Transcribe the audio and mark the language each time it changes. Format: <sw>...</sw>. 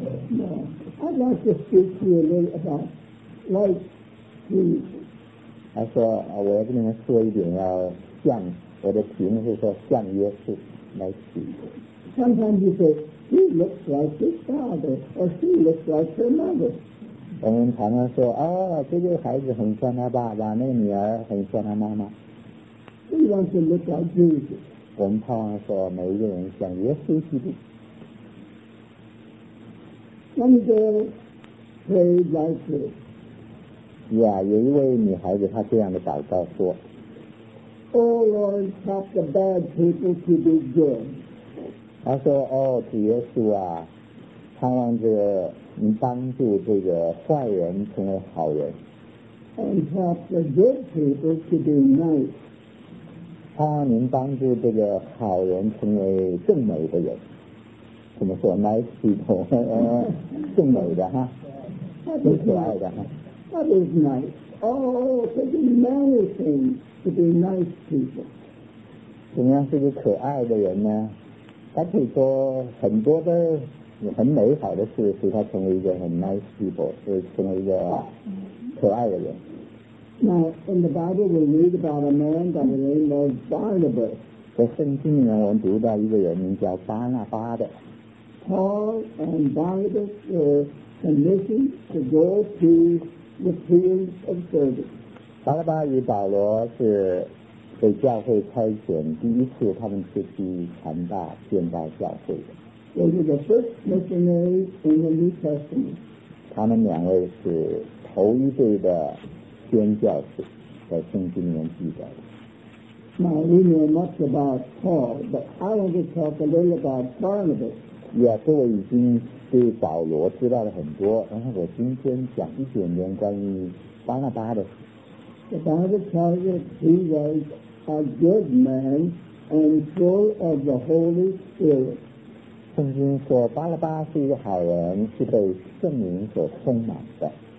<en>No, I'd like to speak to you a little about life Jesus.</en> <zh>他说我要跟你们说一点，要像我的题目是说像耶稣来取。</zh> <en>Sometimes you say, he looks like his father, or she looks like her mother.</en> <zh>我们常常说啊、哦，这个孩子很像他爸爸，那个女儿很像他妈妈。</zh> <en>We want to look like Jesus.</en> <zh>我们盼望说每一个人像耶稣基督。</zh> <en>One girl prayed like this.</en> <zh>Yeah, 有一位女孩子她这样的祷告说</zh> <en>：“Oh Lord, help the bad people to be good.”</en> <zh>她说：“哦，主耶稣啊，盼望着。” 你帮助这个坏人成为好人。</zh> <en>And help the good people to be nice.</en> <zh>他您帮助这个好人成为更美的人。怎么说 ？</zh> <en>Nice people，</en> <zh>更美的哈，更可爱的哈。</zh> <en>That is nice. Oh, that is many things to be nice people.</en> <zh>怎么样是个可爱的人呢？他可以说很多的。很美好的事使他成为一个很</zh> <en>nice people，</en> <zh>是成为一个可爱的人。</zh> <en>Now in the Bible we read about a man by the name of Barnabas。</en> <zh>在圣经里面我们读到一个人名叫巴拿巴的。</zh> <en>Paul and Barnabas were commissioned to go to the fields of service。</en> <zh>巴拿巴与保罗是被教会差遣，第一次他们是去传道、建造教会的。</zh> <en>They were the first missionaries in the New Testament.</en> <zh>他们两位是头一对的宣教士，在圣经里面记载的。</zh> <en>Now we know much about Paul, but I want to talk a little about Barnabas.</en> <zh>Yeah, 各位已经对保罗知道了很多，然后我今天讲一点点关于巴拿巴的事。</zh> <en>The Bible tells us he was a good man and full of the Holy Spirit.</en> <zh>圣经说巴拉巴是一个好人，是被圣灵所充满的。</zh>